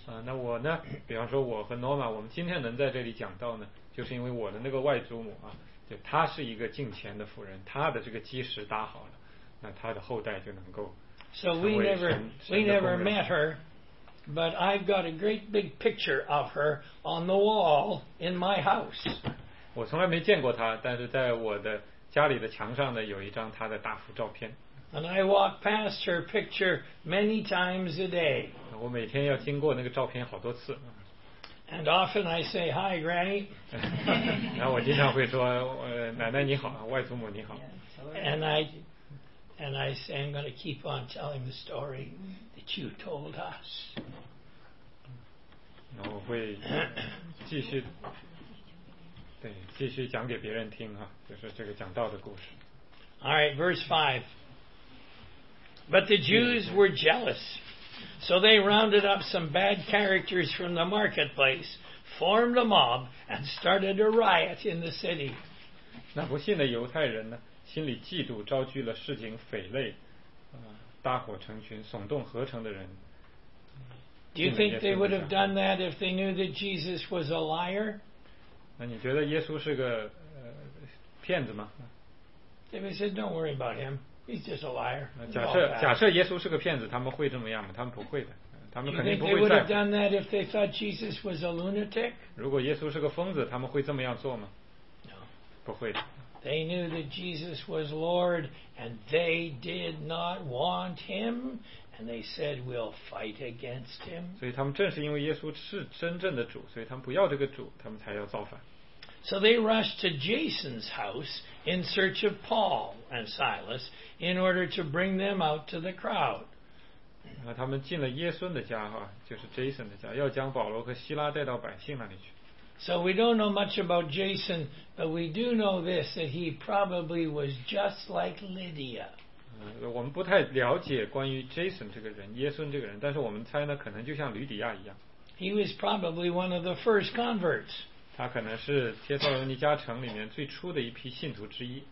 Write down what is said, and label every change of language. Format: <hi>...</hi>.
<zh>那我呢，比方说我和 Norma， 我们今天能在这里讲到呢，就是因为我的那个外祖母啊，就她是一个敬虔的妇人，她的这个基石打好了，那他的后代就能够成为神的工人。</zh> <en>So we never met her, but I've got a great big picture of her on the wall in my house.</en> <zh>我从来没见过她，但是在我的家里的墙上呢，有一张她的大幅照片。</zh> <en>And I walk past her picture many times a day.</en> <zh>我每天要经过那个照片好多次。</zh> <en>And often I say hi, Granny.</en> <zh>然后我经常会说，奶奶你好，外祖母你好。</zh> <en>And I say I'm going to keep on telling the story that you told us.</en> <zh>我会继续对继续讲给别人听哈，就是这个讲道的故事。</zh> <en>All right, verse 5. But the Jews were jealous, so they rounded up some bad characters from the marketplace, formed a mob and started a riot in the city.</en> <zh>那不信的犹太人呢，心里嫉妒，招聚了市井匪类，大伙成群，耸动合成的人。</zh> <en>Do you think they would have done that if they knew that Jesus was a liar?</en> <zh>那你觉得耶稣是个骗子吗？</zh> <en>David said, "Don't worry about him. He's just a liar."</en> <zh>假设耶稣是个骗子，他们会这么样吗？他们不会的。</zh> <en>Do you think they would have done that if they thought Jesus was a lunatic?</en> <zh>如果耶稣是个疯子，他们会这么样做吗？</zh> <en>No.</en> <zh>不会的。</zh> <en>They knew that Jesus was Lord, and they did not want him, and they said, "We'll fight against him."</en> <zh>所以他们正是因为耶稣是真正的主，所以他们不要这个主，他们才要造反。</zh> <en>So they rushed to Jason's house in search of Paul and Silas in order to bring them out to the crowd.</en> <zh>那他们进了耶孙的家哈，就是 Jason 的家，要将保罗和希拉带到百姓那里去。</zh> <en>So we don't know much about Jason, but we do know this, that he probably was just like Lydia.</en> <zh>我们不太了解关于 Jason 这个人，耶孙这个人，但是我们猜呢，可能就像吕底亚一样。</zh> <en>He was probably one of the first converts.</en> <zh>他可能是帖撒罗尼迦城里面最初的一批信徒之一。</zh>